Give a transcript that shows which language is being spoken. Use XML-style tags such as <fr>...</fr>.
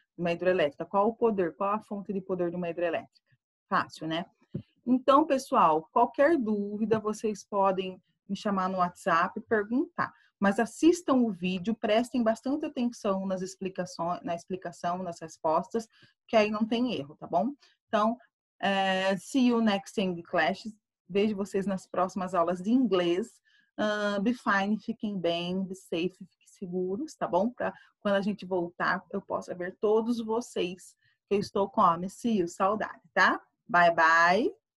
<pt>De uma hidrelétrica. Qual o poder? Qual a fonte de poder de uma hidrelétrica? Fácil, né? Então, pessoal, qualquer dúvida, vocês podem me chamar no WhatsApp e perguntar. Mas assistam o vídeo, prestem bastante atenção nas explicações, na explicação, nas respostas, que aí não tem erro, tá bom?</pt> <en>Então, see you next time in class.</en> <pt>Vejo vocês nas próximas aulas de inglês.</pt> <en>Be fine,</en> <pt>fiquem bem,</pt> <en>be safe,</en> <pt>fiquem seguros, tá bom? Para quando a gente voltar, eu possa ver todos vocês. Eu estou com a Miss You, saudade, tá?</pt> <en>Bye, bye.</en>